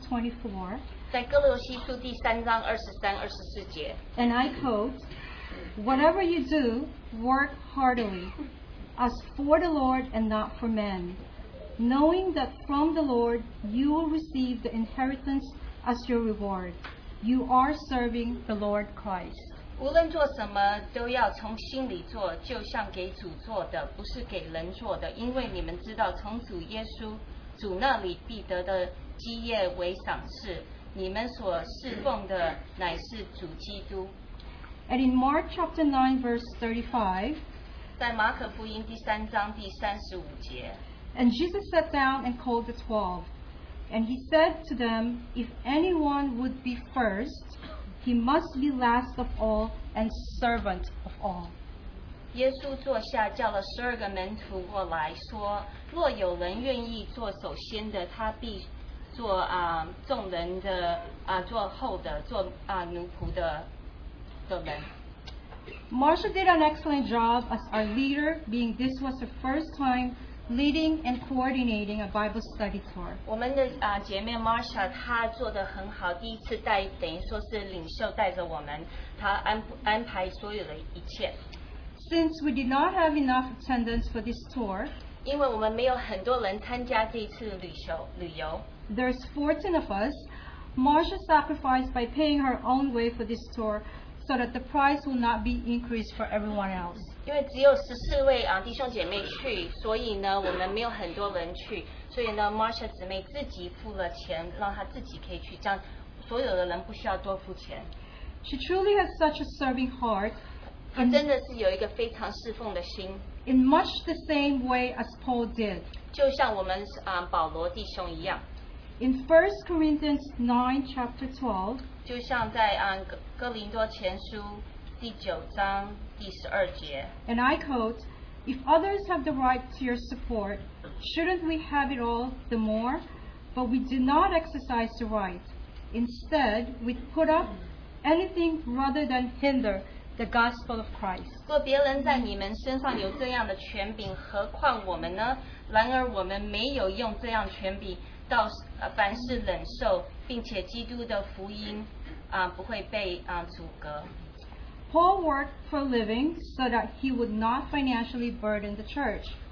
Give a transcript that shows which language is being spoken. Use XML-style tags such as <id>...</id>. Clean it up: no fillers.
<zh>24, 在哥罗西书第三章二十三、二十四节。</zh> <en>And I quote. Whatever you do, work heartily, as for the Lord and not for men, knowing that from the Lord you will receive the inheritance as your reward. You are serving the Lord Christ.</en> <zh>无论做什么都要从心里做，就像给主做的，不是给人做的，因为你们知道从主耶稣主那里必得的基业为赏赐，你们所侍奉的乃是主基督。</zh> <en>And in Mark chapter 9, verse 35,</en> <zh>在马可福音第三章第三十五节,</zh> <en>and Jesus sat down and called the 12. And he said to them, if anyone would be first, he must be last of all and servant of all.</en> <zh>耶稣坐下叫了十二个门徒过来说, 若有人愿意做首先的, 他必做众人的, 做后的, 做奴仆的。</zh> <en>Marcia did an excellent job as our leader, being this was her first time leading and coordinating a Bible study tour.</en> <zh>我们的 姐妹 Marsha 她做得很好，第一次带，等于说是领袖带着我们，她安排所有的一切。</zh> <en>Since we did not have enough attendance for this tour,</en> <zh>因为我们没有很多人参加这次旅游,</zh> <en>there's 14 of us. Marsha sacrificed by paying her own way for this tour so that the price will not be increased for everyone else.</en> <zh>因为只有14位弟兄姐妹去，所以呢，我们没有很多人去，所以呢， Marsha 姊妹自己付了钱，让她自己可以去，这样所有的人不需要多付钱。</zh> <en>She truly has such a serving heart.</en> <zh>她真的是有一个非常侍奉的心。</zh> <en>In much the same way as Paul did.</en> <zh>就像我们 保罗弟兄一样。</zh> <en>In 1 Corinthians 9, chapter 12,</en> <zh>就像在 哥林多前书第九章第十二节,</zh> <en>and I quote, if others have the right to your support, shouldn't we have it all the more? But we do not exercise the right. Instead, we put up anything rather than hinder the gospel of Christ.</en> <zh>若别人在你们身上有这样的权柄，何况我们呢？然而我们没有用这样权柄。到凡事忍受，并且基督的福音不会被阻隔。</zh> <en>Paul worked for a living so that he would not financially burden the church.</en>